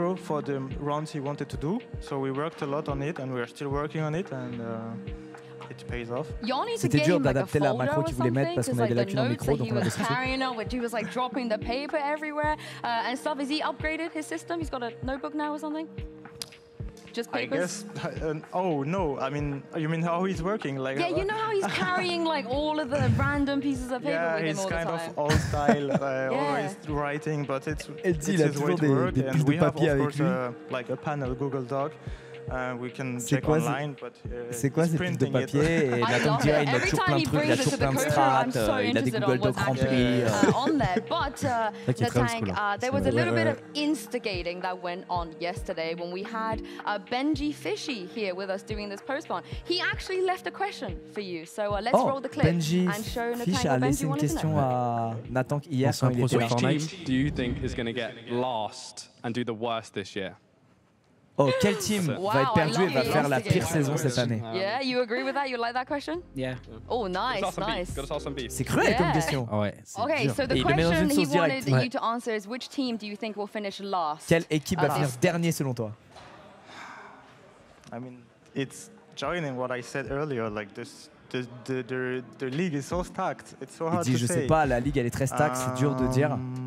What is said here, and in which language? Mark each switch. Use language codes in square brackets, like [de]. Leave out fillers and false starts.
[en] for the runs he wanted to do, so we worked a lot on it and we are still working on it and it pays off. [fr] C'était dur d'adapter la macro qu'il voulait mettre parce qu'on avait des lacunes en micro, donc on a décidé. [en] He was like dropping the paper everywhere and stuff. Has he upgraded his system? He's got a notebook now or something? Just papers? I guess. I mean, you mean how he's working? Like, yeah, you know how he's carrying like all of the random pieces of paper with him all the time. Yeah, he's kind of old style, always writing, but it's his way to work. Des and we have, of course, like a panel, Google Doc. We can check online, but [fr] c'est quoi ces piles de papier? [en] I love it. Every time he brings this to the crew, I'm so interested in what's actually on there. But the tank, there was a little bit of instigating that went on yesterday when we had Benji Fishy here with us doing this post spawn. He actually left a question for you, so let's roll the clip and show Nathan. [fr] Benji a laissé une question à Nathan hier quand il était sur Fortnite. [en] Which team do you think is going to get last and do the worst this year? [fr] Oh, quel team va être perdu et va faire la pire saison cette année? [en] Yeah, you agree with that? You like that question? Yeah. Oh, nice. [fr] C'est cruel comme question. Ouais. [en] Okay, so the question he wanted you to answer is which team do you think will finish last? [fr] Quelle équipe va finir dernier selon toi? [en] I mean, it's joining what I said earlier, like this. The league is so stacked. It's so hard to say. [fr] Il dit, je sais pas, la ligue elle est très stacked, c'est dur de dire.